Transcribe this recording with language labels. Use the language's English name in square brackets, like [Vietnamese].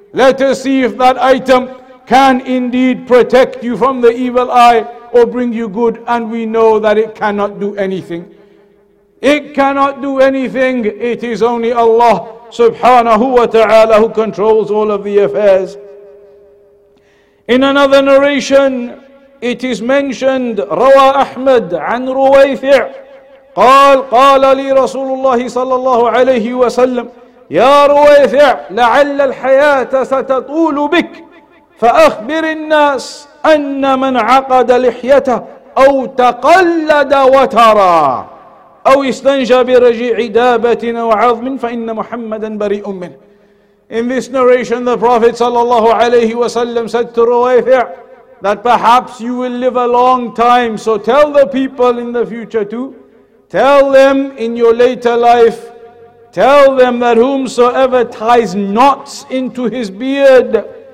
[English] Let us see if that item can indeed protect you from the evil eye or bring you good. And we know that it cannot do anything. It cannot do anything. It is only Allah subhanahu wa ta'ala who controls all of the affairs. In another narration, it is mentioned, [Arabic] Rawa Ahmad an Ruwayfi' قال قال لي رسول الله صلى الله عليه وسلم يا رويفع لعل الحياة ستطول بك فأخبر الناس أن من عقد لحيته أو تقلد وترى أو استنجى برجيع دابة أو عظم فإن محمدا بريء منه. [English] In this narration, the Prophet sallallahu alayhi wa sallam said to Ruwaythi' that perhaps you will live a long time, so tell the people in the future too, tell them in your later life, tell them that whomsoever ties knots into his beard,